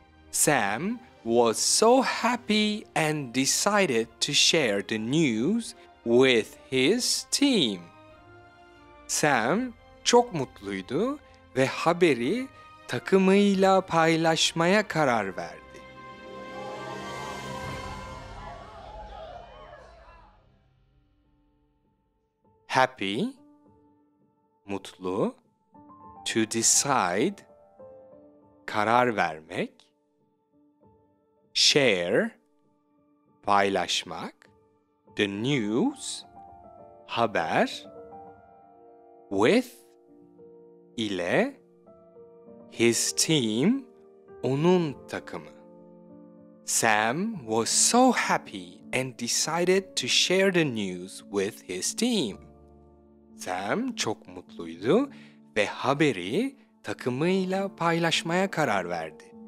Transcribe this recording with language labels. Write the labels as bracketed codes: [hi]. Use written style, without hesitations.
[en] Sam was so happy and decided to share the news with his team. [tr] Sam çok mutluydu ve haberi takımıyla paylaşmaya karar verdi. [en] Happy, [tr] mutlu, [en] to decide, [tr] karar vermek, [en] share, [tr] paylaşmak, [en] the news, [tr] haber, [en] with, [tr] ile, [en] his team, [tr] onun takımı. [en] Sam was so happy and decided to share the news with his team. [tr] Sam çok mutluydu ve haberi takımıyla paylaşmaya karar verdi.